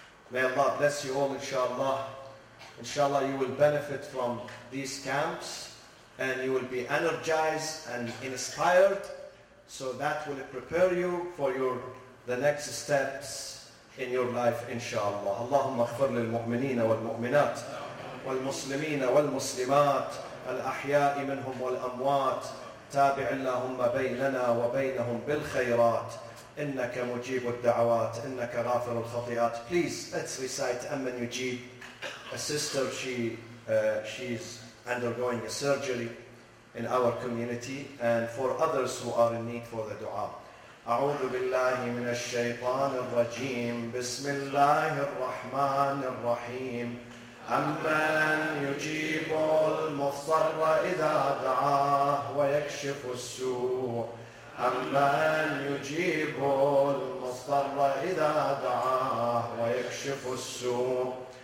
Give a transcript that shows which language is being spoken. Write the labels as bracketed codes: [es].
[en] May Allah bless you all, inshallah. Inshallah, you will benefit from these camps and you will be energized and inspired. So that will prepare you for the next steps in your life, inshallah. [ar] Allahumma ighfir lil mu'minina wal mu'minat wal muslimina wal muslimat الأحياء منهم والأموات تابع اللهم بيننا وبينهم بالخيرات إنك مجيب الدعوات إنك غافر الخطيئات. [en] Please, let's recite [ar] أمن يجيب. [en] A sister, she's undergoing a surgery in our community and for others who are in need for the dua. [ar] أعوذ بالله من الشيطان الرجيم بسم الله الرحمن الرحيم أمن يجيب المضطر إذا دعاه ويكشف السوء أمن يجيب المضطر إذا دعاه ويكشف السوء